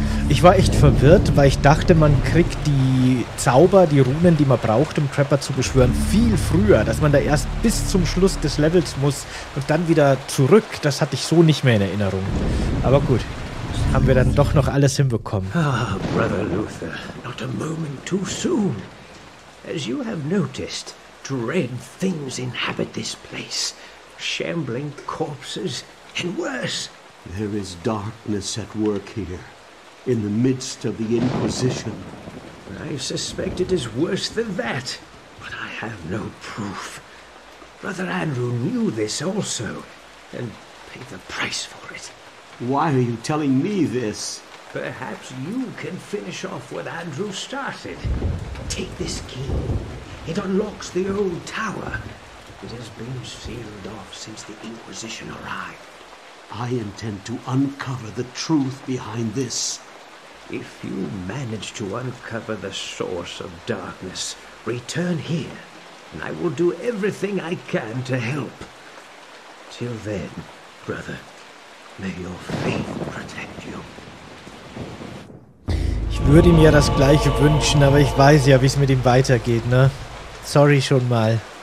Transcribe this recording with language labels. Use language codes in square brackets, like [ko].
[de] Ich war echt verwirrt, weil ich dachte, man kriegt die Zauber, die Runen, die man braucht, um Trapper zu beschwören, viel früher. Dass man da erst bis zum Schluss des Levels muss und dann wieder zurück. Das hatte ich so nicht mehr in Erinnerung. Aber gut, haben wir dann doch noch alles hinbekommen. [en] Ah, Brother Luther, not a moment too soon. As you have noticed, dread things inhabit this place. Shambling corpses and worse. There is darkness at work here. In the midst of the Inquisition. I suspect it is worse than that, but I have no proof. Brother Andrew knew this also, and paid the price for it. Why are you telling me this? Perhaps you can finish off what Andrew started. Take this key. It unlocks the old tower. It has been sealed off since the Inquisition arrived. I intend to uncover the truth behind this. If you manage to uncover the source of darkness, return here, and I will do everything I can to help. Till then, brother, may your faith protect you. [de] Ich würde mir das Gleiche wünschen, aber ich weiß ja, wie es mit ihm weitergeht, ne? Sorry schon mal.